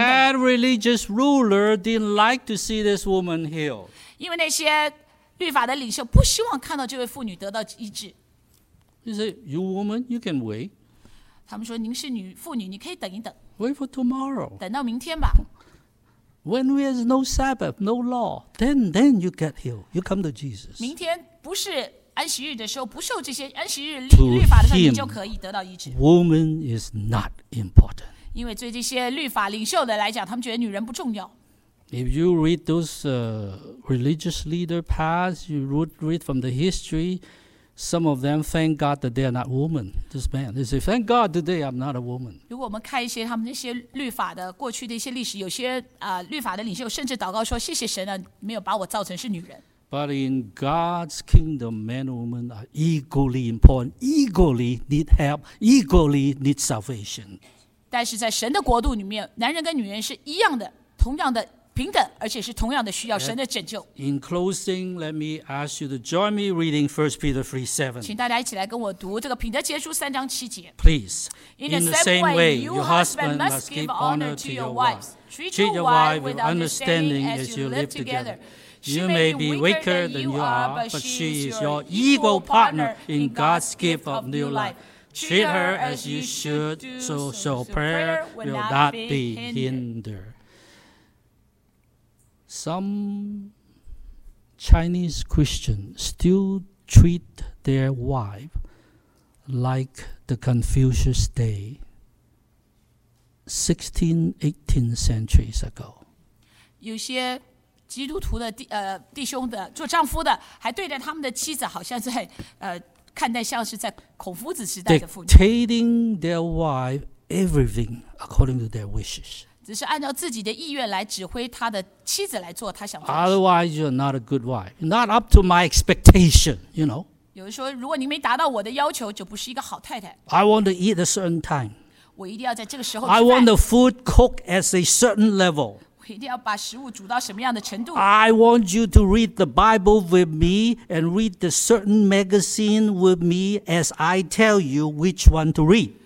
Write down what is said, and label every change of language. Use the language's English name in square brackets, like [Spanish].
[English] That religious ruler didn't like to see this woman healed. [Chinese] 因为那些律法的领袖不希望看到这位妇女得到医治。 [English] He said, "You woman, you can wait." [Chinese] 他们说您是妇女，你可以等一等。 [English] Wait for tomorrow. [Chinese] 等到明天吧。 [English] When there is no Sabbath, no law, then you get healed. You come to Jesus. [Chinese] 明天不是安息日的时候，不受这些安息日律法的时候，你就可以得到医治。 [English] Woman is not important. [Chinese] 因为对这些律法领袖的来讲，他们觉得女人不重要。 [English] If you read those religious leader past, you read from the history, some of them thank God that they are not woman. This man, they say, thank God today I'm not a woman. [Chinese] 如果我们看一些他们那些律法的过去的一些历史，有些律法的领袖甚至祷告说，谢谢神啊，没有把我造成是女人。 [English] But in God's kingdom, men and women are equally important, equally need help, equally need salvation. [Chinese] 但是在神的国度里面，男人跟女人是一样的，同样的。平等，而且是同样的需要神的拯救。 [English] In closing, let me ask you to join me reading 1 Peter 3:7. [Chinese] 请大家一起来跟我读这个彼得前书三章七节。 [English] Please, in the same way, your husband must give honor to your wives. Treat your wife with understanding as you live together. She may be weaker than you are, but she is your equal partner in God's gift of new life. Treat her as you should, so prayer will not be hindered. Some Chinese Christians still treat their wife like the Confucius day, 16th-18th centuries ago. [Chinese] 有些基督徒的弟兄的做丈夫的，还对待他们的妻子，好像在看待像是在孔夫子时代的妇女。 [English] Dictating their wife everything according to their wishes. [Chinese] 只是按照自己的意愿来指挥他的妻子来做他想做的事。 [English] Otherwise, you're not a good wife. Not up to my expectation, you know. [Chinese] 有人说，如果您没达到我的要求，就不是一个好太太。 [English] I want to eat a certain time. [Chinese] 我一定要在这个时候。 [English] I want the food cooked at a certain level. [Chinese] 我一定要把食物煮到什么样的程度。 [English] I want you to read the Bible with me and read the certain magazine with me as I tell you which one to read.